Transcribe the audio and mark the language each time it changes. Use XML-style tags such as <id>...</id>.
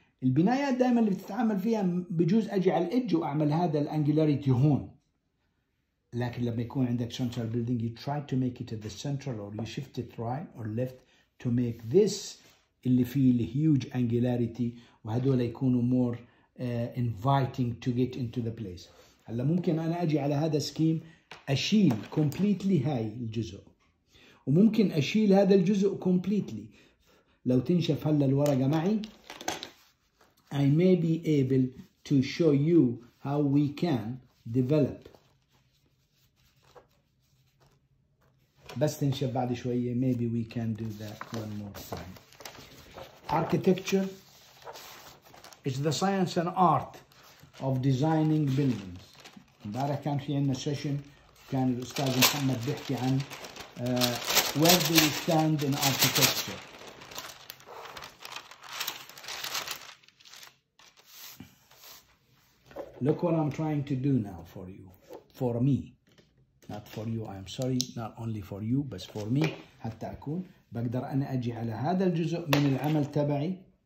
<ar>البنايات دائما اللي بتتعامل فيها بجوز اجي على الادج واعمل هذا الانجلاريتي هون. لكن لما يكون عندك</ar> <en>central building, you try to make it at the central, or you shift it right or left to make this</en> <ar>اللي فيه</ar> <en>huge angularity,</en> <ar>وهدول يكونوا</ar> <en>more inviting to get into the place.</en> <ar>هلا ممكن انا اجي على هذا سكيم أشيل completely هاي الجزء, وممكن أشيل هذا الجزء completely. لو تنشف هلا الورقة معي,</ar> <en>I may be able to show you how we can develop.</en> <ar>بس تنشف بعد شوية,</ar> <en>maybe we can do that one more time. Architecture is the science and art of designing buildings.</en> <ar>مبارك كان في عنا session, كان الأستاذ محمد بيحكي عن</ar> <en>where do you stand in architecture. Look what I'm trying to do now for you, for me, not for you, I'm sorry, not only for you, but for me.</en> <ar>حتى أكون بقدر أنا أجي على هذا الجزء من العمل تبعي,</ar>